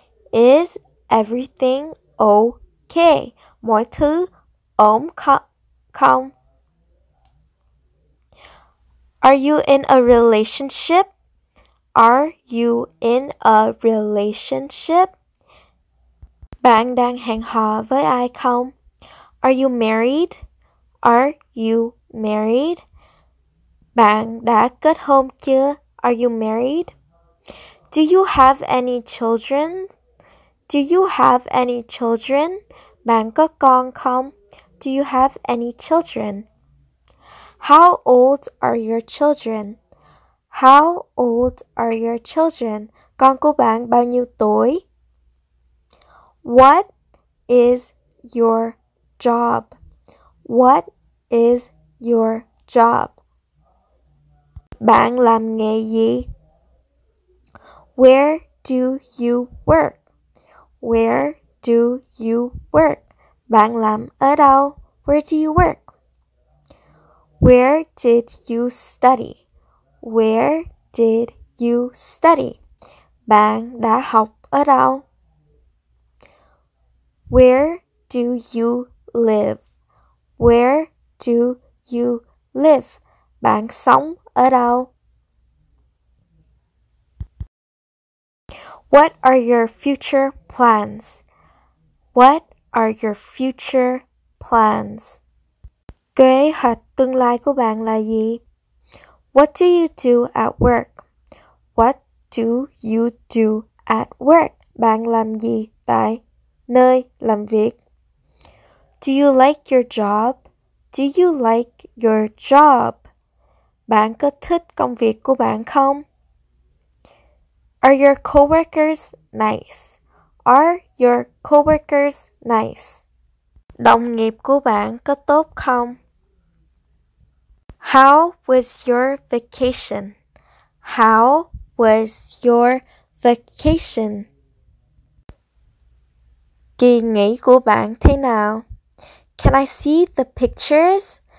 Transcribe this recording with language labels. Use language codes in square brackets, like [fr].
[en] Is everything okay? [vi] Mọi thứ ổn không? [en] Are you in a relationship? Are you in a relationship? [vi] Bạn đang hẹn hò với ai không? [en] Are you married? Are you married? [vi] Bạn đã kết hôn chưa? [en] Are you married? Do you have any children? Do you have any children? [vi] Bạn có con không? [en] Do you have any children? How old are your children? How old are your children? [vi] Con của bạn bao nhiêu tuổi? [en] What is your job? What is your job? [vi] Bạn làm nghề gì? [en] Where do you work? Where do you work? [vi] Bạn làm ở đâu? [en] Where do you work? Where did you study? Where did you study? [vi] Bạn đã học ở đâu? [en] Where do you live? Where do you live? [vi] Bạn sống ở đâu? [en] What are your future plans? What are your future plans? [vi] Kế hoạch tương lai của bạn là gì? [en] What do you do at work? What do you do at work? [vi] Bạn làm gì tại nơi làm việc? [en] Do you like your job? Do you like your job? [vi] Bạn có thích công việc của bạn không? [en] Are your coworkers nice? Are your coworkers nice? [vi] Đồng nghiệp của bạn có tốt không? [en] How was your vacation? How was your vacation? [vi] Kỳ nghỉ của bạn thế nào? [en] Can I see the pictures?